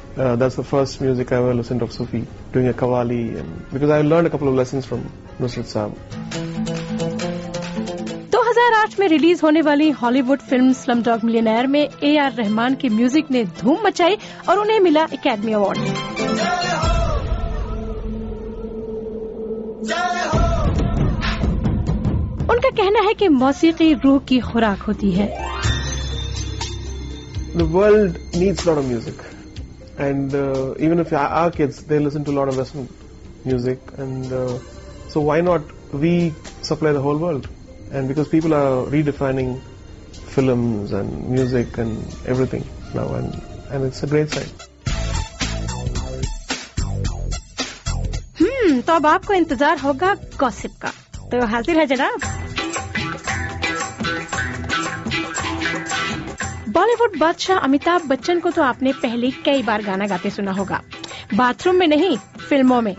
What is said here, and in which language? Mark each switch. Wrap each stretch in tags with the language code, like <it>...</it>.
<en>That's the first music I ever listened of Sufi, doing a Qawwali, and because I learned a couple of lessons from Nusrat Sahab.</en> <ur>2008 میں release ہونے والی ہالی would film سلم dog millionaire میں اے are رحمان کے music نے دھوم مچائی اور انہیں ملا اکیڈمی اوارڈ۔ ان کا کہنا ہے کہ موسیقی روح کی خوراک ہوتی ہے۔</ur> <en>The world needs a lot of music and even if our kids, they listen to a lot of Western music and so why not we supply the whole world, and because people are redefining films and music and everything now and it's a great sign.</en> <ur>تو اب آپ کو انتظار ہوگا gossip کا، تو حاضر ہے جناب۔ بالی ووڈ بادشاہ امیتابھ بچن کو تو آپ نے پہلے کئی بار گانا گاتے سنا ہوگا، باتھ روم میں نہیں فلموں میں۔</ur>